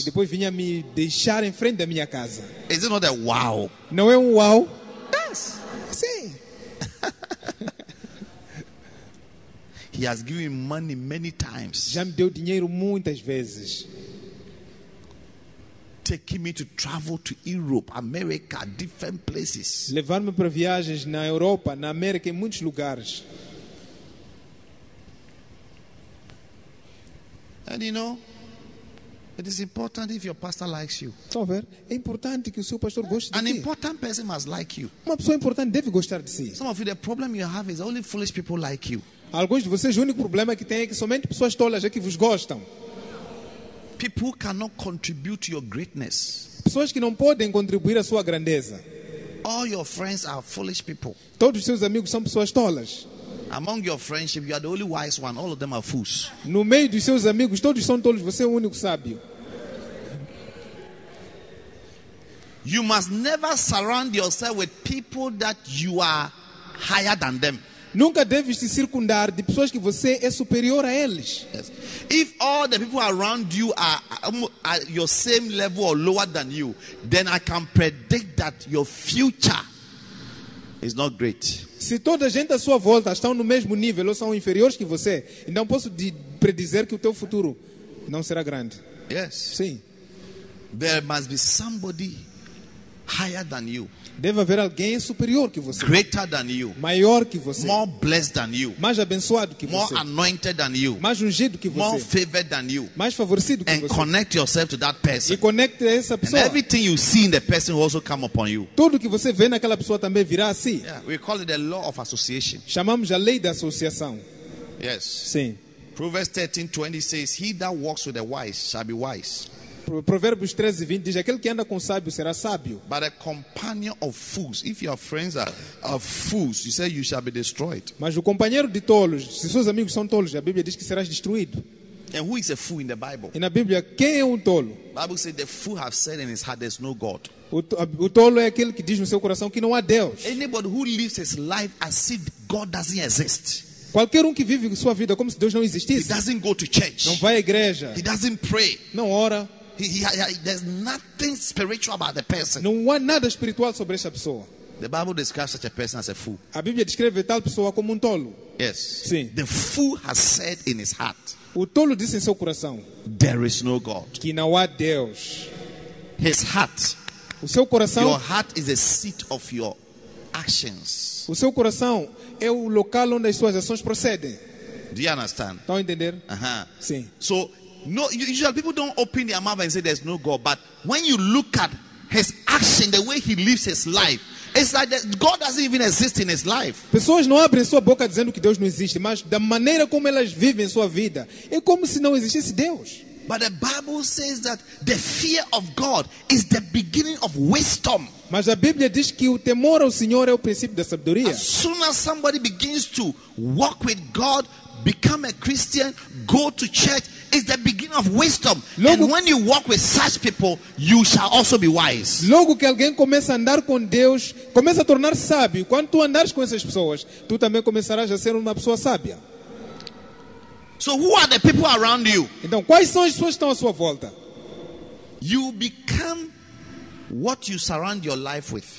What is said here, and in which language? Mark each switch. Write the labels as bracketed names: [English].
[Portuguese] E depois vinha me deixar em frente da minha casa. [English] Is it not a wow? [Portuguese] Não é wow? [English] Yes. [Portuguese] Sim. [English] He has given money many times. [Portuguese] Já me deu dinheiro muitas vezes. [English] Taking me to travel to Europe, America, different places. [Portuguese] Levar-me para viagens na Europa, na América, em muitos lugares. [English] And you know, it is important if your pastor likes you. [Portuguese] Então, ver, é importante que o seu pastor goste de ti. [English] An important person must like you. [Portuguese] Uma pessoa importante deve gostar de si. [English] Some of you, the problem you have is only foolish people like you. [Portuguese] Alguns de vocês, o único problema que tem é que somente pessoas tolas é que vos gostam. [English] People cannot contribute to your greatness. [Portuguese] Pessoas que não podem contribuir à sua grandeza. [English] All your friends are foolish people. [Portuguese] Todos os seus amigos são pessoas tolas. [English] Among your friendship, you are the only wise one. All of them are fools. [Portuguese] No meio dos seus amigos, todos são tolos. Você é o único sábio. [English] You must never surround yourself with people that you are higher than them. [Portuguese] Nunca deve se circundar de pessoas que você é superior a eles. [English] Yes. If all the people around you are your same level or lower than you, then I can predict that your future is not great. [Portuguese] Se toda a gente à sua volta está no mesmo nível ou são inferiores que você, então posso predizer que o teu futuro não será grande. [English] Yes. [Portuguese] Sim. [English] There must be somebody higher than you. [Portuguese] Deve haver alguém superior que você. [English] Greater than you. [Portuguese] Maior que você. [English] More blessed than you. [Portuguese] Mais abençoado que [English] More More anointed than you. [Portuguese] Mais ungido que [English] More [Portuguese] você. [English] More favored than you. [Portuguese] Mais favorecido que [English] And [Portuguese] você. [English] And connect yourself to that person. [Portuguese] E conecte essa pessoa. [English] And everything you see in the person will also come upon you. [Portuguese] Tudo que você vê naquela pessoa também virá a si. [English] Yeah, we call it the law of association. [Portuguese] Chamamos a lei da associação. [English] Yes. [Portuguese] Sim. [English] Proverbs 13:20 says, "He that walks with the wise shall be wise." [Portuguese] Provérbios 13:20 diz, aquele que anda com sábio será sábio. [English] But a companion of fools, if your friends are fools, you say you shall be destroyed. [Portuguese] Mas o companheiro de tolos, se seus amigos são tolos, a Bíblia diz que serás destruído. [English] And who is a fool in the Bible? [Portuguese] E na Bíblia, quem é tolo? [English] Bible says the fool have said in his heart there's no God. [Portuguese] O tolo é aquele que diz no seu coração que não há Deus. [English] Anybody who lives his life as if God doesn't exist. [Portuguese] Qualquer que vive sua vida como se Deus não existisse. [English] He doesn't go to church. [Portuguese] Não vai à igreja. [English] He doesn't pray. [Portuguese] Não ora. [English] there's nothing spiritual about the person. [Portuguese] Não há nada espiritual sobre essa pessoa. [English] The Bible describes such a person as a fool. [Portuguese] A Bíblia descreve tal pessoa como tolo. [English] Yes. [Portuguese] Sim. [English] The fool has said in his heart. [Portuguese] O tolo disse em seu coração. [English] There is no God. [Portuguese] Que não há Deus. [English] His heart. [Portuguese] O seu coração. [English] Your heart is the seat of your actions. [Portuguese] O seu coração é o local onde as suas ações procedem. [English] Do you understand? [Portuguese] Estão a entender? Uh-huh. Sim. [English] So, no, usually people don't open their mouth and say there's no God, but when you look at his action, the way he lives his life, it's like God doesn't even exist in his life. [Portuguese] Pessoas não abrem sua boca dizendo que Deus não existe, mas da maneira como elas vivem sua vida, é como se não existisse Deus. [English] But the Bible says that the fear of God is the beginning of wisdom. [Portuguese] Mas a Bíblia diz que o temor ao Senhor é o princípio da sabedoria. [English] As soon as somebody begins to walk with God, become a Christian, go to church, is the beginning of wisdom. [Portuguese] Logo, [English] and when you walk with such people, you shall also be wise. [Portuguese] Logo que alguém começa a andar com Deus, começa a tornar sábio. Quando tu andares com essas pessoas, tu também começarás a ser uma pessoa sábia. [English] So who are the people around you? [Portuguese] Então, quais são as pessoas que estão à sua volta? [English] You become what you surround your life with.